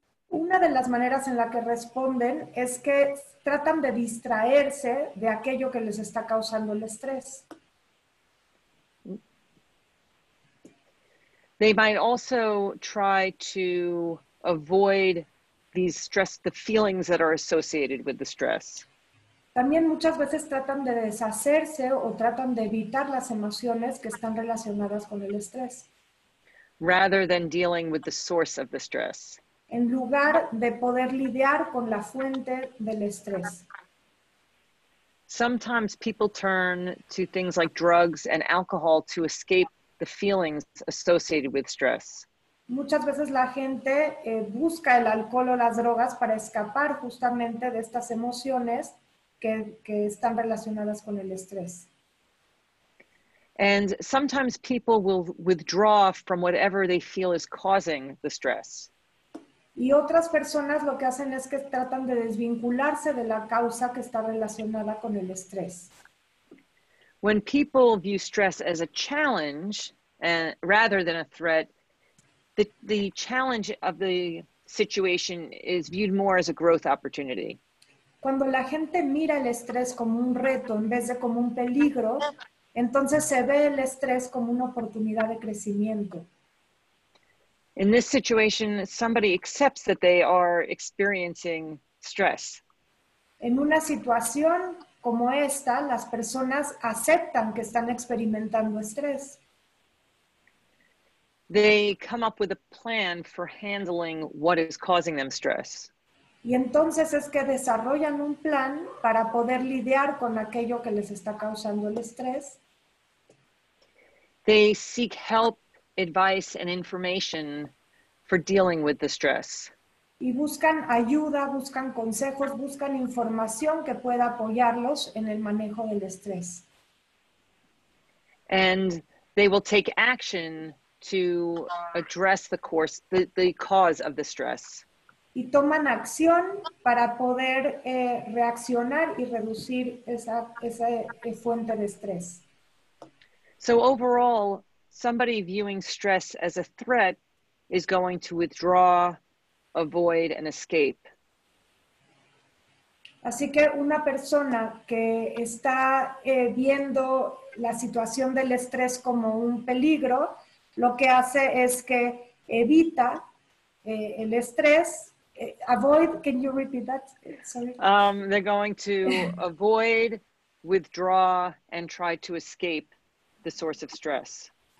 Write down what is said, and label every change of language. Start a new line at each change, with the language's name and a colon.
Spanish: Una de las maneras en la que responden es que tratan de distraerse de aquello que les está causando el estrés.
English: They might also try to avoid these stress, the feelings that are associated with the stress.
Spanish: También muchas veces tratan de deshacerse o tratan de evitar las emociones que están relacionadas con el estrés.
English: Rather than dealing with the source of the stress.
Spanish: En lugar de poder lidiar con la fuente del estrés.
English: Sometimes people turn to things like drugs and alcohol to escape the feelings associated with stress.
Spanish: Muchas veces la gente busca el alcohol o las drogas para escapar justamente de estas emociones que están relacionadas con el estrés.
English: And sometimes people will withdraw from whatever they feel is causing the stress.
Spanish: Y otras personas lo que hacen es que tratan de desvincularse de la causa que está relacionada con el estrés.
English: When people view stress as a challenge rather than a threat, the challenge of the situation is viewed more as a growth opportunity.
Spanish: Cuando la gente mira el estrés como un reto en vez de como un peligro, entonces se ve el estrés como una oportunidad de crecimiento.
English: In this situation, somebody accepts that they are experiencing stress.
Spanish: En una situación como esta, las personas aceptan que están experimentando estrés.
English: They come up with a plan for handling what is causing them stress.
Spanish: Y entonces es que desarrollan un plan para poder lidiar con aquello que les está causando el estrés.
English: They seek help, advice, and information for dealing with the stress.
Spanish: y buscan ayuda, buscan consejos, buscan información que pueda apoyarlos en el manejo del estrés.
English: And they will take action to address the cause of the stress.
Spanish: Y toman acción para poder reaccionar y reducir esa fuente de estrés.
English: So overall, somebody viewing stress as a threat is going to withdraw, avoid, and escape.
Spanish: Así que una persona que está viendo la situación del estrés como un peligro, lo que hace es que evita el estrés.
English: Avoid, can you repeat that? Sorry. They're going to avoid, withdraw, and try to escape the source of stress.